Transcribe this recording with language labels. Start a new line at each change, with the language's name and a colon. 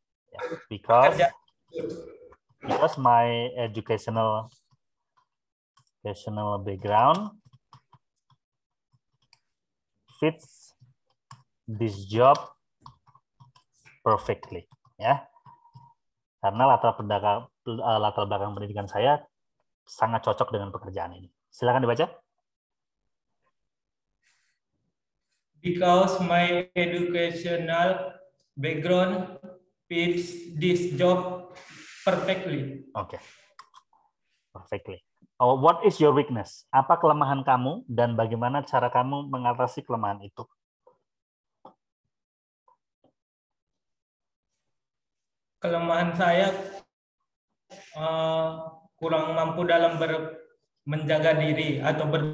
English: Yeah. Because my educational background fits this job perfectly, ya. Yeah.
Indonesian: Karena latar belakang pendidikan saya sangat cocok dengan pekerjaan ini. Silakan dibaca.
English: Because my educational background fits this job perfectly. Okay. Perfectly. Oh, what is your weakness?
Indonesian: Apa kelemahan kamu dan bagaimana cara kamu mengatasi kelemahan itu? Kelemahan saya kurang mampu dalam menjaga diri atau